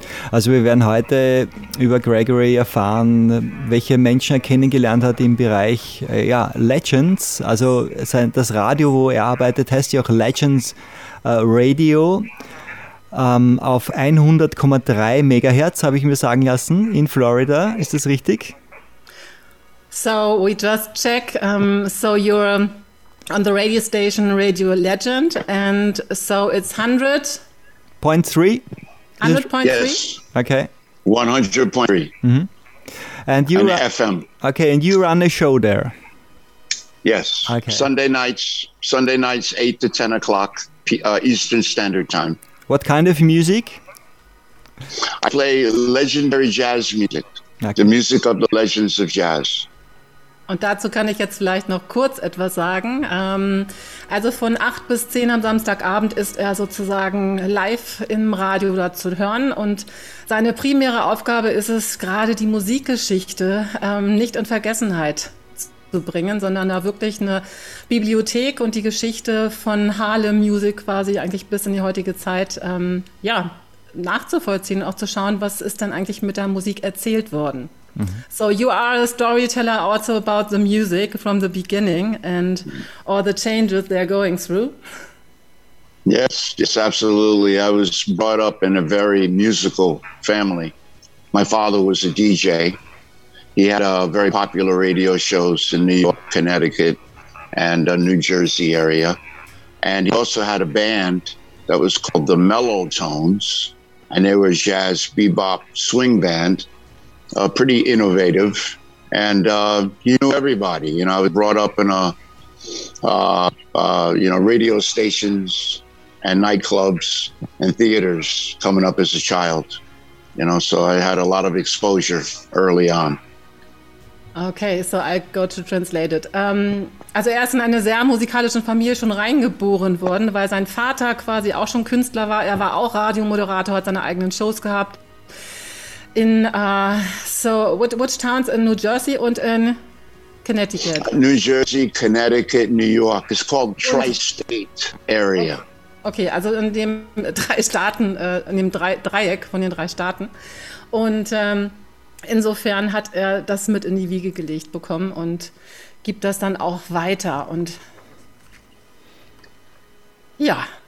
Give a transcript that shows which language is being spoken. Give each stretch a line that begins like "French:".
German: Also wir werden heute über Gregory erfahren, welche Menschen er kennengelernt hat im Bereich ja, Legends. Also das Radio, wo er arbeitet, heißt ja auch Legends Radio. Auf 100,3 Megahertz habe ich mir sagen lassen, in Florida. Ist das richtig?
English: So, we just check. So, you're on the radio station Radio Legend. And so, it's 100.3? 100.3? Okay. 100.3. Mm-hmm. And you an FM. Okay, and you run a show there? Yes. Okay. Sunday nights, 8 to 10 o'clock Eastern Standard Time. What kind of music? I play legendary jazz music. Okay. The music of the legends of jazz.
German: Und dazu kann ich jetzt vielleicht noch kurz etwas sagen. Also von 8 bis 10 am Samstagabend ist er sozusagen live im Radio da zu hören. Und seine primäre Aufgabe ist es, gerade die Musikgeschichte nicht in Vergessenheit zu bringen, sondern da wirklich eine Bibliothek und die Geschichte von Harlem Music quasi eigentlich bis in die heutige Zeit nachzuvollziehen, auch zu schauen, was ist denn eigentlich mit der Musik erzählt worden. Mhm.
English: So you are a storyteller also about the music from the beginning and all the changes they're going through. Yes, absolutely. I was brought up in a very musical family. My father was a DJ. He had very popular radio shows in New York, Connecticut, and New Jersey area. And he also had a band that was called the Mellow Tones, and they were a jazz bebop swing band, pretty innovative. And he knew everybody. You know, I was brought up in radio stations and nightclubs and theaters coming up as a child. You know, so I had a lot of exposure early on. Okay, so I got to translate it.
German: Also er ist in eine sehr musikalische Familie schon reingeboren worden, weil sein Vater quasi auch schon Künstler war. Er war auch Radiomoderator, hat seine eigenen Shows gehabt.
English: In which towns in New Jersey und in Connecticut? New Jersey, Connecticut, New York. It's called Tri-State Area.
German: Okay, also in dem drei Staaten, in dem Dreieck von den drei Staaten. Und insofern hat er das mit in die Wiege gelegt bekommen und gibt das dann auch weiter. Und ja,